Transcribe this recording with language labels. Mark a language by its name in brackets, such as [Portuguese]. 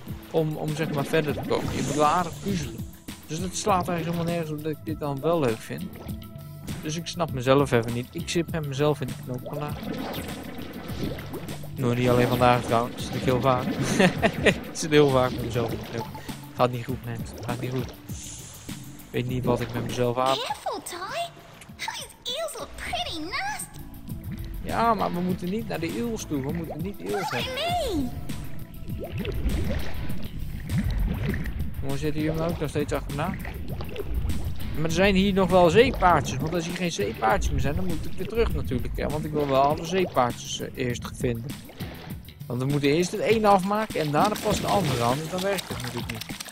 [Dutch] Om zeg maar verder te komen. Je moet wel aardig puzzelen. Dus het slaat eigenlijk helemaal nergens op dat ik dit dan wel leuk vind. Dus ik snap mezelf even niet. Ik zit met mezelf in de knoop vandaag. Nooit niet alleen vandaag trouwens. Dat zit ik heel vaak. Ik zit heel vaak met mezelf in de knoop. Gaat niet goed, net. Gaat niet goed. Ik weet niet wat ik met mezelf aan. [English] Careful, Ty. These eels look pretty nasty. [Dutch] Ja, maar we moeten niet naar de eels toe. We moeten niet de eels hebben. Waarom zitten jullie hem ook nog steeds achterna? Maar er zijn hier nog wel zeepaardjes, want als hier geen zeepaardjes meer zijn, dan moet ik weer terug natuurlijk. Hè? Want ik wil wel alle zeepaardjes eerst vinden. Want we moeten eerst het ene afmaken en daarna pas de andere, anders dan werkt het natuurlijk niet.